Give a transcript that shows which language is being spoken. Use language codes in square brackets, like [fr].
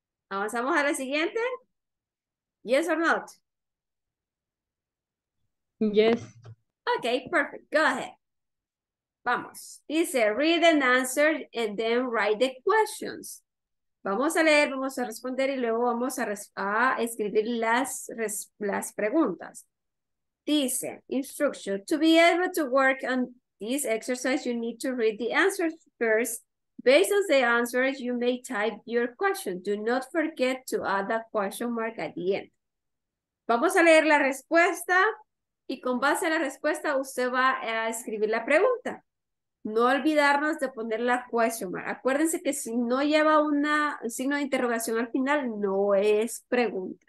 [es] ¿Avanzamos a la siguiente? [en] Yes or not? Yes. Okay, perfect. Go ahead. Vamos. Dice, read and answer and then write the questions. [es] Vamos a leer, vamos a responder y luego vamos a escribir las preguntas. [en] Dice, instruction, to be able to work on this exercise, you need to read the answers first. Based on the answers, you may type your question. Do not forget to add a question mark at the end. [es] Vamos a leer la respuesta y con base a la respuesta usted va a escribir la pregunta. No olvidarnos de poner la question mark. Acuérdense que si no lleva un signo de interrogación al final, no es pregunta.